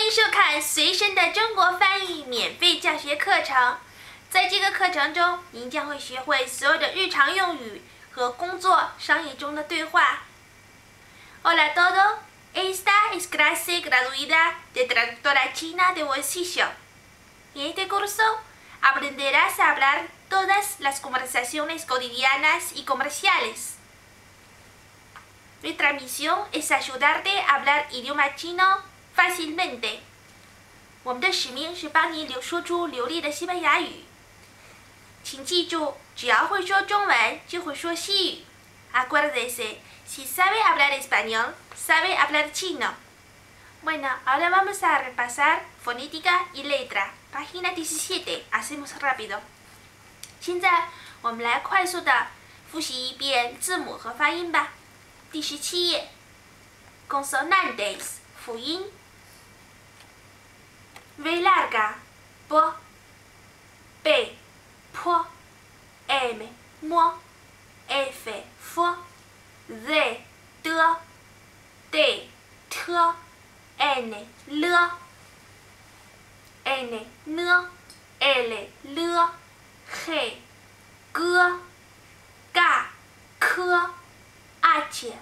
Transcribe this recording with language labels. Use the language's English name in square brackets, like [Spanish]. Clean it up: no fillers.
[Chinese] 台随身的中国翻译免费教学课程。在这个课程中，您将会学会所有的日常用语和工作、商业中的对话。 [Spanish] Hola a todos, esta es clase gratuita de traductora china de bolsillo. En este curso aprenderás a hablar todas las conversaciones cotidianas y comerciales. Nuestra misión es ayudarte a hablar idioma chino fácilmente. [Chinese] 我们的使命是帮你说出流利的西班牙语。请记住，只要会说中文，就会说西语。 [Spanish] Acuérdese, si sabe hablar español, sabe hablar chino. Bueno, ahora vamos a repasar fonética y letra. Página 17, hacemos rápido. [Chinese] 现在我们来快速的复习一遍字母和发音吧。第十七页 ，consonantes， 辅音，v larga， 波 ，b， 坡 ，m， 摸 ，f， 佛 ，z， 的 ，d， 特 ，n， 了 ，n， 呢 ，l， 了 ，h， 哥 ，g， 科 ，h。